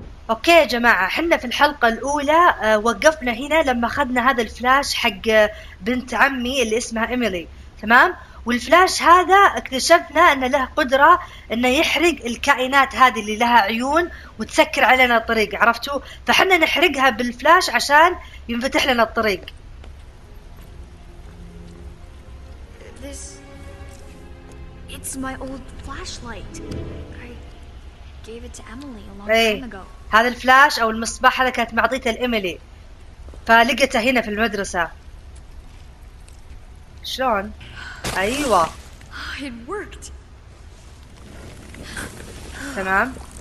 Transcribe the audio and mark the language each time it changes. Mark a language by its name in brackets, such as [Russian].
[Arabic] اوكي يا جماعة، حنا في الحلقة الاولى وقفنا هنا لما اخذنا هذا الفلاش حق بنت عمي اللي اسمها إيميلي، تمام؟ والفلاش هذا اكتشفنا انه له قدرة انه يحرق الكائنات هذه اللي لها عيون وتسكر علينا الطريق، عرفتوا؟ فحنا نحرقها بالفلاش عشان ينفتح لنا الطريق. [English] This it's my old flashlight. I gave it to Emily a long time ago. [Arabic] هذا الفلاش او المصباح هذا كانت معطيته لإيميلي فلقته هنا في المدرسة. شلون؟ ايوه [English] it worked. [Arabic] تمام.